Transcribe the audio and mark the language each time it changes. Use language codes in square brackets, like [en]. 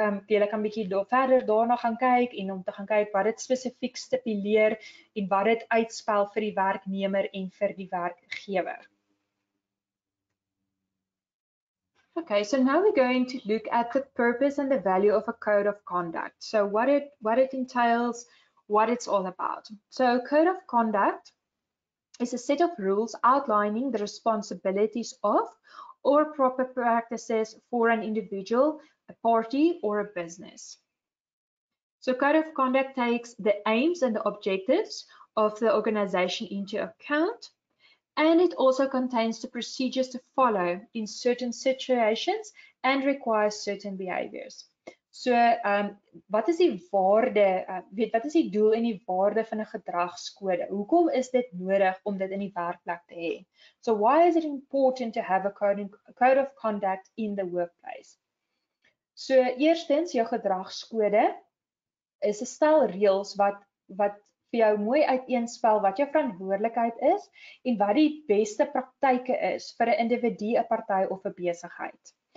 [af] Jy kan 'n bietjie verder daarna gaan kyk en om te gaan kyk wat dit spesifiek stipuleer en wat dit uitspel vir die werknemer en vir die werkgewer. [en] Okay, so now we're going to look at the purpose and the value of a code of conduct. So what it entails, what it's all about. So a code of conduct is a set of rules outlining the responsibilities of or proper practices for an individual, a party, or a business. So a code of conduct takes the aims and the objectives of the organization into account. And it also contains the procedures to follow in certain situations and requires certain behaviors. [af] So, wat is die waarde, wat is die doel en die waarde van 'n gedragskode? Hoekom is dit nodig om dit in die werkplek te hê? [en] So, why is it important to have a code of conduct in the workplace? [af] So, eerstens, jou gedragskode is 'n stel reëls wat vir jou mooi uiteenspel wat jou verantwoordelikheid is en wat die beste praktyke is vir 'n individu, 'n party of 'n besigheid.